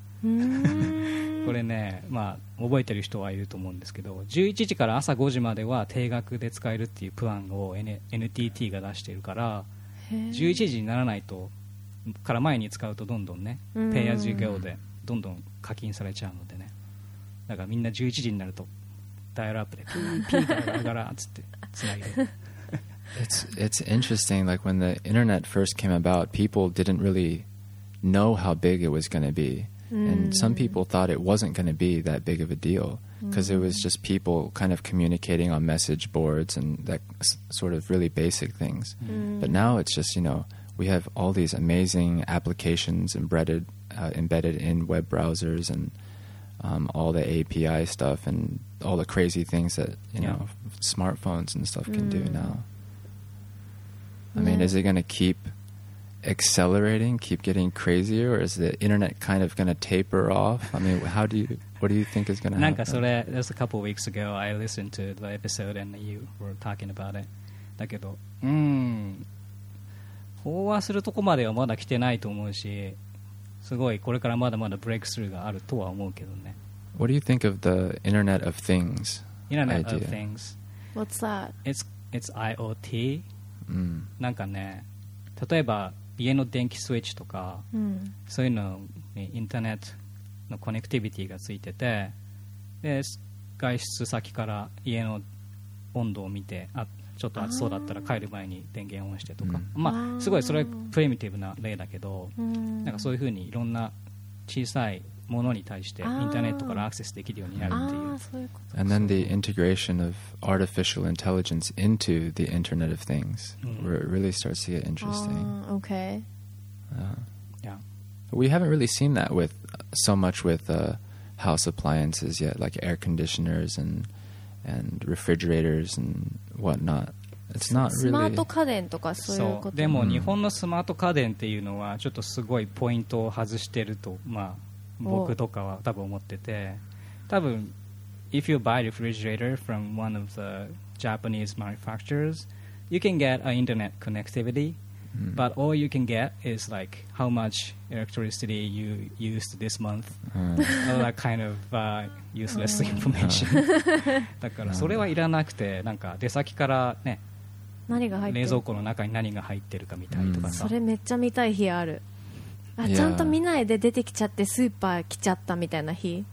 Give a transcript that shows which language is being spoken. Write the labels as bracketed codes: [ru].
[ja] これね、まあ覚えてる人はいると思うんですけど、11時から朝5時までは定額で使えるっていうプランを NTT が出しているから、11時にならないとから前に使うとどんどんね、 [en] Pay as you go [ja] でどんどん課金されちゃうのでね、だからみんな11時になるとダイヤルアップでピーピーガラガラつってつないで。 [en] It's interesting. Like when the internet first came about, people didn't really know how big it was going to be, and some people thought it wasn't going to be that big of a deal because it was just people kind of communicating on message boards and that sort of really basic things. But now it's just, you know, we have all these amazing applications embedded in web browsers andall the API stuff and all the crazy things that, you know, smartphones and stuff can do now. I mean, is it going to keep accelerating, keep getting crazier, or is the internet kind of going to taper off? I mean, what do you think is going to happen? [ja] なんかそれ、 [en] that was a couple of weeks ago. I listened to the episode and you were talking about it. [ja] だけど、飽和するとこまではまだ来てないと思うし、すごいこれからまだまだブレイクスルーがあるとは思うけどね。 [en] What do you think of the Internet of Things? Internet of Things. What's that? It's IoT.、 [ja] なんかね、例えば家の電気スイッチとか、そういうのにインターネットのコネクティビティがついてて、で外出先から家の温度を見て、あちょっと暑そうだったら帰る前に電源オンしてとか、まあすごいそれはプリミティブな例だけど、なんかそういうふうにいろんな小さいものに対してインターネットからアクセスできるようになるっていう。 [en] And then the integration of artificial intelligence into the Internet of Things, where it really starts to get interesting. Okay. We haven't really seen that with so much with house appliances yet, like air conditioners and refrigerators and whatnot. It's not really... [ja] スマート家電とかそういうこと。でも日本のスマート家電っていうのはちょっとすごいポイントを外してると、まあ僕とかは多分思ってて、多分 [en] if you buy a refrigerator from one of the Japanese manufacturers, you can get an internet connectivity. But all you can get is like how much electricity you used this month. All that kind of useless information. [ja] だからそれはいらなくて、なんか出先からね、何が入ってる、冷蔵庫の中に何が入ってるかみたいとかさ、それめっちゃ見たい日ある。あ、ちゃんと見ないで出てきちゃってスーパー来ちゃったみたいな日。